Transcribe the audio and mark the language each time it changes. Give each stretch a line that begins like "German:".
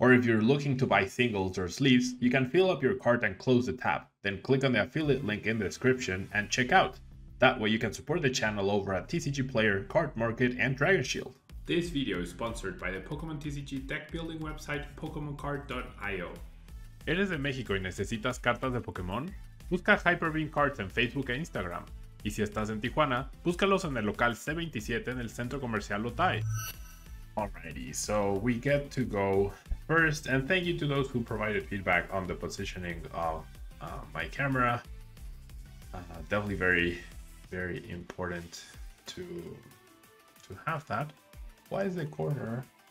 English: Or if you're looking to buy singles or sleeves, you can fill up your cart and close the tab, then click on the affiliate link in the description and check out. That way you can support the channel over at TCG Player, Card Market, and Dragon Shield. This video is sponsored by the Pokemon TCG deck building website, PokemonCard.io.
Spanish: ¿Eres de México y necesitas cartas de Pokémon? Busca Hyper Beam Cards en Facebook e Instagram. Y si estás en Tijuana, búscalos en el local C27 en el Centro Comercial Lotay.
English: Alrighty, so we get to go first, and thank you to those who provided feedback on the positioning of my camera. Definitely very, very important to have that. Why is the corner?